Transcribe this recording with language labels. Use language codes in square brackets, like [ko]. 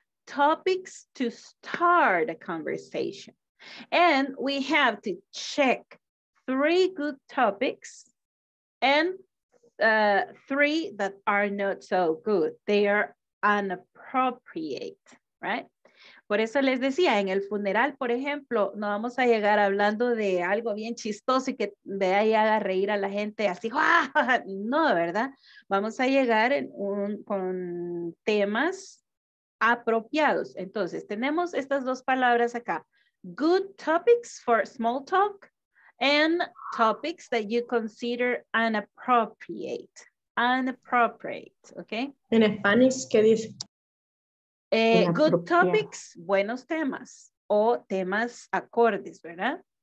[en] Topics to start a conversation. And we have to check 3 good topics and 3 that are not so good. They are inappropriate, right? [es] Por eso les decía, en el funeral, por ejemplo, no vamos a llegar hablando de algo bien chistoso y que de ahí haga reír a la gente así, ¡ah! No, ¿verdad? Vamos a llegar con temas apropiados. Entonces, tenemos estas dos palabras acá. [en] Good topics for small talk and topics that you consider inappropriate. Inappropriate, ¿ok? [es] En español, ¿qué dice? [en] Good topics, [es] buenos temas o temas acordes, ¿verdad?